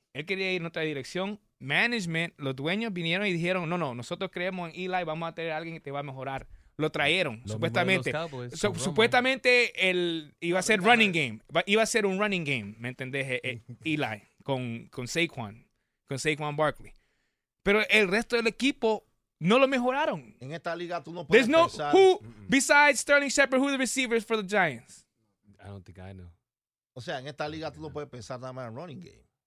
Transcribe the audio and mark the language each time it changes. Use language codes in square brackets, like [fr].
[es] Él quería ir en otra dirección. Management, los dueños vinieron y dijeron, no, nosotros creemos en Eli, vamos a tener a alguien que te va a mejorar. lo trajeron, supuestamente. Supuestamente él iba a ser running game. Iba a ser un running game, ¿me entendés? Eli, con Saquon Barkley. Pero el resto del equipo no lo mejoraron. En esta liga tú no puedes pensar. [en] There's no, who, besides Sterling Shepard, who are the receivers for the Giants? I don't think I know. [es] O sea, en esta liga tú no puedes pensar nada más en running game.